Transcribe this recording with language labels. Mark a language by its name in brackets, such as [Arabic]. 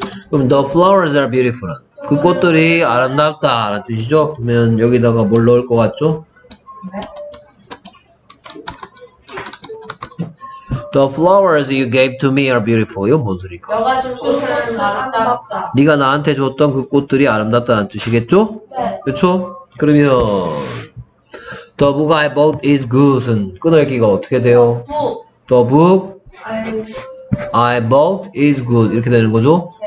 [Korean] 그럼 [English] the flowers are beautiful. [Korean] 그 꽃들이 아름답다 라는 뜻이죠? 그러면 여기다가 뭘 넣을 것 같죠? [English] The flowers you gave to me are beautiful. [Korean] 이건 뭔 소리일까? 너가 준 꽃은 아름답다. 네가 나한테 줬던 그 꽃들이 아름답다는 뜻이겠죠? 네. 그쵸? 그러면 [English] The book I bought is good [Korean] 은 끊어읽기가 어떻게 돼요? [English] The book I bought is good [Korean] 이렇게 되는 거죠?